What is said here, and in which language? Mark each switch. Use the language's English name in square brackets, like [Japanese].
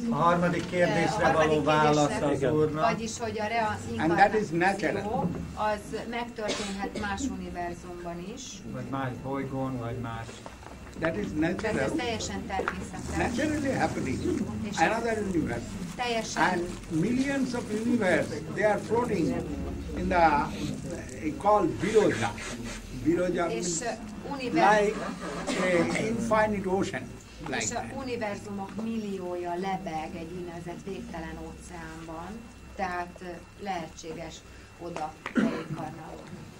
[Hungarian] A harmadik kérdésre való válasz az Úrnak. Vagyis, hogy a reinkarnáció az megtörténhet más univerzumban is. Vagy más bolygón, vagy más. [English] That is natural. [Hungarian] Ez teljesen természetes. [English] Naturally happening. Another universe. [Hungarian] Teljesen. [English] And millions of universe, they are floating in the, called Viroja. Viroja means like infinite ocean. Like [Hungarian] és a univerzumok milliója lebeg egy úgynevezett végtelen óceánban, tehát lehetséges oda reinkarnálódni.